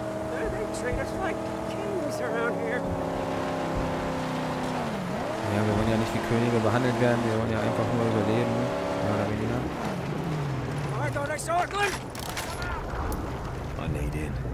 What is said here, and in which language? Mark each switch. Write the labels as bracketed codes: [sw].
[en] They treat us like kings around here. [de] Ja, wir wollen ja nicht wie Könige behandelt werden, wir wollen ja einfach nur überleben. Ja, da bin ich ja. [en] I thought I saw a glimpse. I need in.